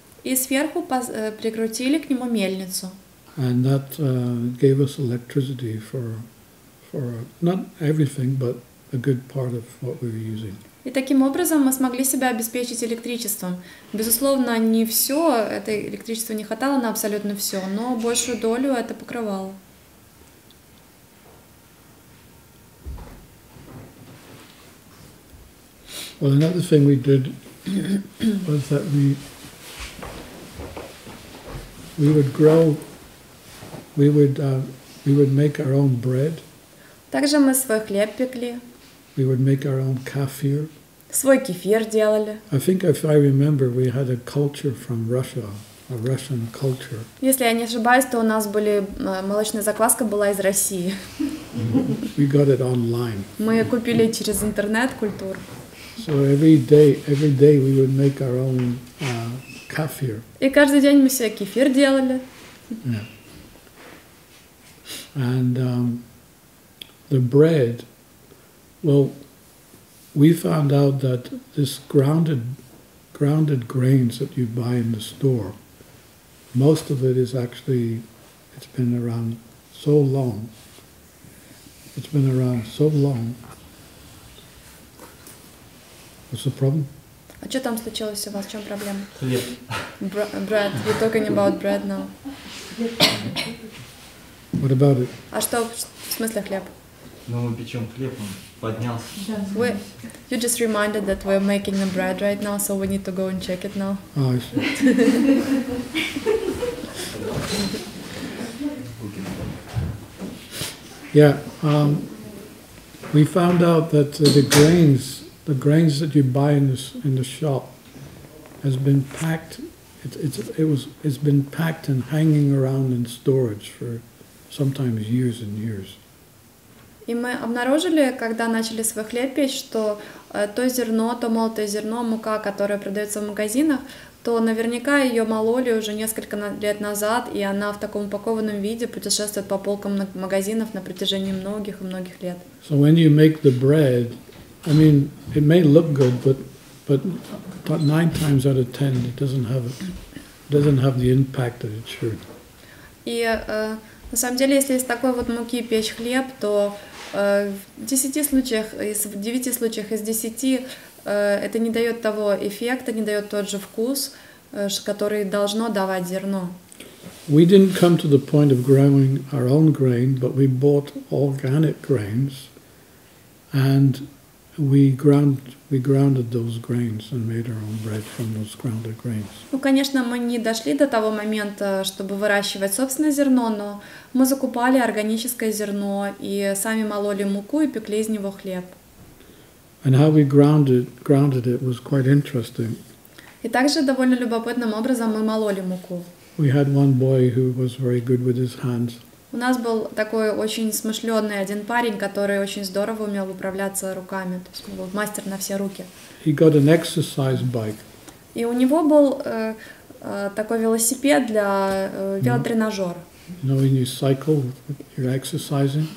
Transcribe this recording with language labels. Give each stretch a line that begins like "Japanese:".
Russian: И сверху прикрутили к нему мельницу.
English: And that gave us electricity for not everything, but a good part of what we were using.
Russian: И таким образом мы смогли себя обеспечить электричеством. Безусловно, не все, это электричество не хватало на абсолютно все, но большую долю это покрывало.
English: Well, another thing we did was that we would make our own bread.
Russian: Также мы свой хлеб пекли.
English: We would make our own kefir.
Russian: Свой кефир делали.
English: I think if I remember, we had a culture from Russia, a Russian culture.
Russian: Если я не ошибаюсь, то у нас были молочная закваска была из России.
English: We got it online.
Russian: Мы купили через интернет культуру.
English: So every day we would make our own kefir.
Russian: И каждый день мы себе кефир делали.
English: Yeah. And the bread. Well, we found out that this grounded grains that you buy in the store, most of it is actually, it's been around so long. What's the problem?
Russian: А что там случилось у вас? В чем проблема? Хлеб.
English: Bread. We're talking about bread now. What about it?
Russian: А что в смысле хлеб? Ну, мы печем хлеб, он поднялся.
English: Yeah. You just reminded that we're making the bread right now, so we need to go and check it now. Oh, I see. Yeah, We found out that the grains that you buy in the shop has been packed. It's been packed and hanging around in storage for sometimes years and years.
Russian: И мы обнаружили, когда начали свой хлеб печь, что то зерно, то молотое зерно, мука, которая продается в магазинах, то наверняка ее мололи уже несколько лет назад, и она в таком упакованном виде путешествует по полкам магазинов на протяжении многих и многих лет.
English: So when you make the bread, I mean, it may look good, but 9 times out of 10 it doesn't have the impact that it should.
Russian: И на самом деле, если из такой вот муки печь хлеб, то в девяти случаях из десяти это не дает того эффекта, не дает тот же вкус, который должно давать зерно.
English: We didn't come to the point of growing our own grain, but we bought organic grains, and we grounded those grains and made our own bread from those grounded grains.
Russian: Ну, конечно, мы не дошли до того момента, чтобы выращивать собственное зерно, но мы закупали органическое зерно и сами мололи муку и пекли из него хлеб.
English: And how we grounded it was quite interesting.
Russian: И также довольно любопытным образом мы мололи муку.
English: We had one boy who was very good with his hands.
Russian: У нас был такой очень смышленный один парень, который очень здорово умел управляться руками, то есть он был мастер на все руки.
English: He got an exercise bike.
Russian: И у него был такой велосипед для велотренажера.
English: No, when you cycle, you're exercising.